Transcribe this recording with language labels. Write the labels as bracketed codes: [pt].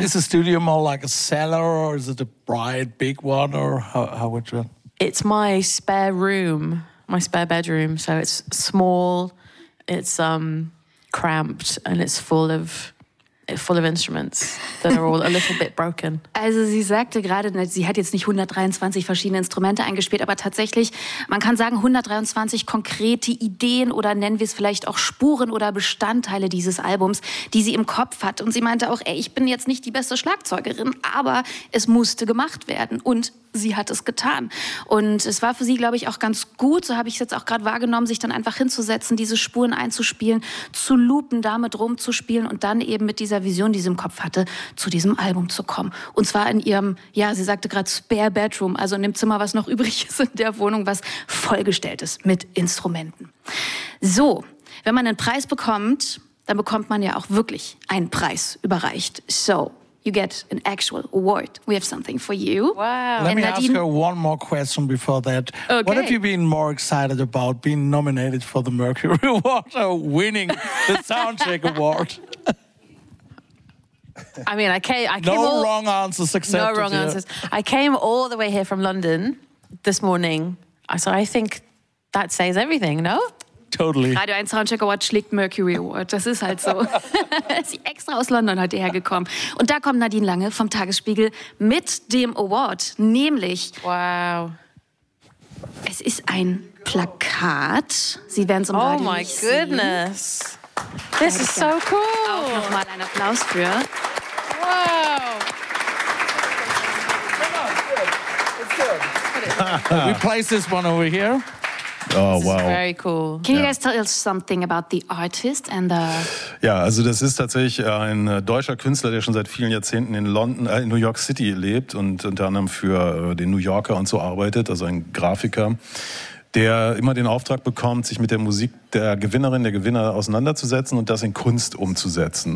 [en] Is the studio more like a cellar or is it a bright big one or how would you? It's my spare room. My spare bedroom, so it's small, it's cramped and it's full of instruments that are all a little bit broken. [de] Also sie sagte gerade, sie hat jetzt nicht 123 verschiedene Instrumente eingespielt, aber tatsächlich, man kann sagen 123 konkrete Ideen oder nennen wir es vielleicht auch Spuren oder Bestandteile dieses Albums, die sie im Kopf hat. Und sie meinte auch, ey, ich bin jetzt nicht die beste Schlagzeugerin, aber es musste gemacht werden und sie hat es getan. Und es war für sie, glaube ich, auch ganz gut, so habe ich es jetzt auch gerade wahrgenommen, sich dann einfach hinzusetzen, diese Spuren einzuspielen, zu loopen, damit rumzuspielen und dann eben mit dieser Vision, die sie im Kopf hatte, zu diesem Album zu kommen. Und zwar in ihrem, ja, sie sagte gerade Spare Bedroom, also in dem Zimmer, was noch übrig ist in der Wohnung, was vollgestellt ist mit Instrumenten. So, wenn man einen Preis bekommt, dann bekommt man ja auch wirklich einen Preis überreicht. [en] So, you get an actual award. We have something for you. Wow. Let me ask her one more question before that. Okay. What have you been more excited about, being nominated for the Mercury Award or winning the Soundcheck Award? I mean, No wrong answers. I came all the way here from London this morning. So I think that says everything, no? Totally. [de] Radio 1 Soundcheck Award schlägt Mercury Award. Das ist halt so. Sie ist extra aus London heute hergekommen. Und da kommt Nadine Lange vom Tagesspiegel mit dem Award. Nämlich. Wow. Es ist ein Plakat. Sie werden es im Radio sehen. [en] Oh my goodness. This is so cool. [de] Auch nochmal einen Applaus für. Wow. [en] We place this one over here. Oh, wow. Very cool. Can you guys tell us something about the artist and the... [de] Ja, also das ist tatsächlich ein deutscher Künstler, der schon seit vielen Jahrzehnten in New York City lebt und unter anderem für den New Yorker und so arbeitet, also ein Grafiker, der immer den Auftrag bekommt, sich mit der Musik der Gewinnerin, der Gewinner auseinanderzusetzen und das in Kunst umzusetzen.